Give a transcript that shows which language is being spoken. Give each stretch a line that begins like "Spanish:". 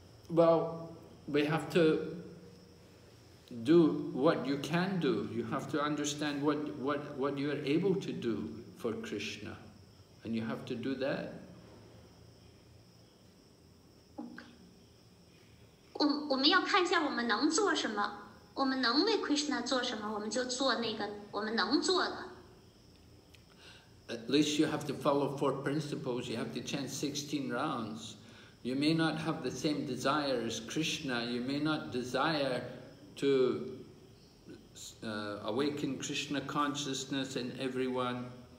English: Well, we have to do what you can do. You have to understand what you are able to do for Krishna, and you have to do that.
Chinese: 我们要看一下我们能做什么，我们能为 Krishna 做什么，我们就做那个我们能做的。
English: At least you have to follow four principles. You have to chant 16 rounds. You may not have the same desire as Krishna. You may not desire to awaken Krishna consciousness in everyone.